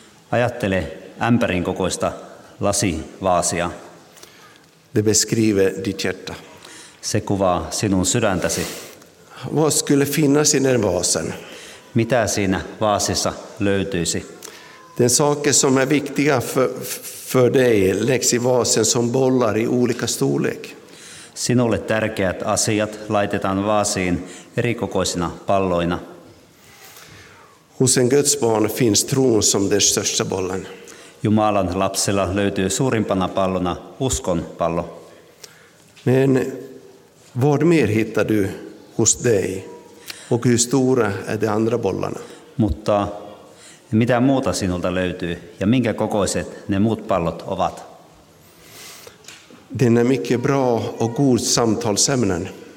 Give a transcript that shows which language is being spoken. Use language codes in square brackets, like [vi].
[fi] Ajattele ämpärin kokoista lasivaasia. [sv] Det beskriver ditt hjärta. [fi] Se kuvaa sinun sydäntäsi. [sv] Vad skulle finnas i den vasen? [fi] Mitä siinä vaasissa löytyisi? [sv] Den saker som är viktiga för dig läggs i vasen som bollar i olika storlek. [fi] Sinulle tärkeät asiat laitetaan vaasiin erikokoisina palloina. [sv] Hos en Guds barn finns tron som den största bollen. [fi] Jumalan lapsella löytyy suurimpana pallona uskon pallo. [sv] Men vad mer hittar du hos dig? Och hur stora är de andra bollarna? [fi] Mutta mitä muuta sinulta löytyy ja minkä kokoiset ne muut pallot ovat? [sv] Den är mycket bra och god samtalsämnen.